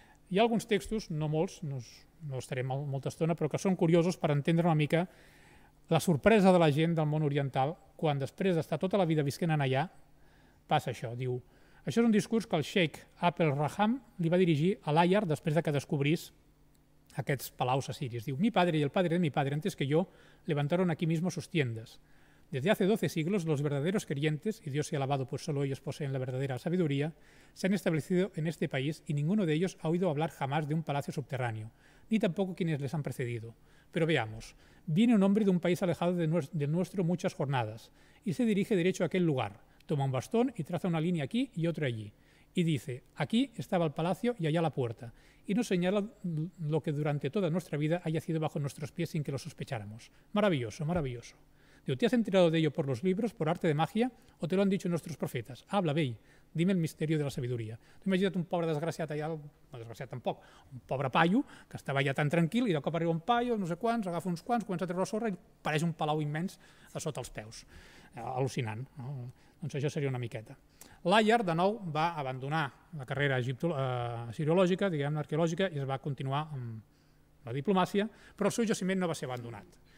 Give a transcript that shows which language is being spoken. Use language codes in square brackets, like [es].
[ca] Hi ha alguns textos, no molts, no estarem molta estona, però que són curiosos per entendre una mica la sorpresa de la gent del món oriental quan després d'estar tota la vida visquent allà passa això, diu... Això és un discurs que el Sheikh Abdelraham li va dirigir a Layard després de que descobrís aquests palaus assiris. [es] Diu, mi padre y el padre de mi padre antes que yo levantaron aquí mismo sus tiendas. Desde hace 12 siglos los verdaderos creyentes, y Dios sea alabado pues solo ellos poseen la verdadera sabiduría, se han establecido en este país y ninguno de ellos ha oído hablar jamás de un palacio subterráneo, ni tampoco quienes les han precedido. Pero veamos, viene un hombre de un país alejado de nuestro muchas jornadas y se dirige derecho a aquel lugar. Toma un bastón y traza una línea aquí y otra allí. Y dice, aquí estaba el palacio y allá la puerta. Y nos señala lo que durante toda nuestra vida haya sido bajo nuestros pies sin que lo sospecháramos. Maravilloso, maravilloso. Digo, ¿te has enterado de ello por los libros, por arte de magia, o te lo han dicho nuestros profetas? Habla, ve, dime el misterio de la sabiduría. [ca] Imagina't un pobre desgraciat allà, no desgraciat tampoc, un pobre paio que estava allà tan tranquil i de cop arriba un paio, no sé quants, agafa uns quants, comença a treure la sorra i apareix un palau immens a sota els peus. Al·lucinant, no? Doncs això seria una miqueta. Layard, de nou, va abandonar la carrera sirològica, diguem-ne arqueològica, i es va continuar amb la diplomàcia, però el seu jaciment no va ser abandonat.